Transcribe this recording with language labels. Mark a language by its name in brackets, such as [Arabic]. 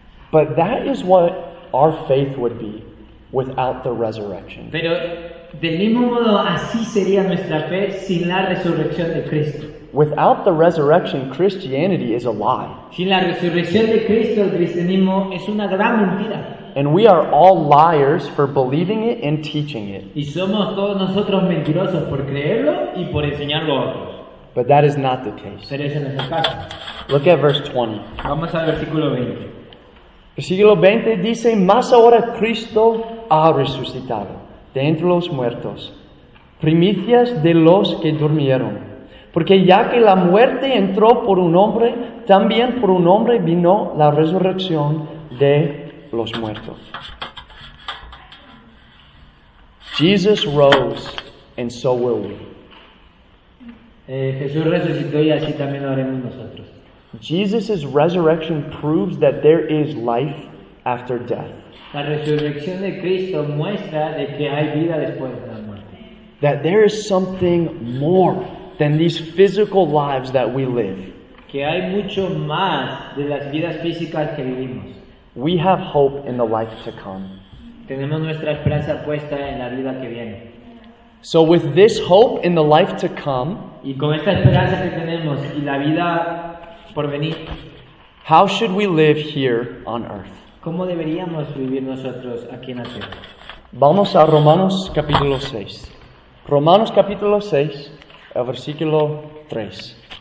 [English] But that is what our faith would be without the resurrection. [Spanish] Pero del mismo modo así sería nuestra fe sin la resurrección de Cristo. [English] Without the resurrection, Christianity is a lie. [Spanish] Sin la resurrección de Cristo, el cristianismo es una gran mentira. [English] And we are all liars for believing it and teaching it. [Spanish] Y somos todos nosotros mentirosos por creerlo y por enseñarlo a otros. [English] But that is not the case. [Spanish] Pero ese no es el caso. [English] Look at verse 20. [Spanish] Vamos al versículo 20. Versículo 20 dice: mas ahora Cristo ha resucitado de entre los muertos, primicias de los que durmieron. Porque ya que la muerte entró por un hombre, también por un hombre vino la resurrección de los muertos. [English] Jesus rose, and so will we. [Spanish] Jesús resucitó y así también lo haremos nosotros. [English] Jesus' resurrection proves that there is life after death. [Spanish] La resurrección de Cristo muestra de que hay vida después de la muerte. [English] That there is something more than these physical lives that we live. [Spanish] Que hay mucho más de las vidas físicas que vivimos. [English] We have hope in the life to come. [Spanish] Tenemos nuestra esperanza puesta en la vida que viene. [English] So with this hope in the life to come, [Spanish] y con esta esperanza que tenemos y la vida por venir, [English] how should we live here on earth? [Spanish] ¿Cómo deberíamos vivir nosotros aquí en la tierra? Vamos a Romanos capítulo 6. Romanos capítulo 6, el versículo 3.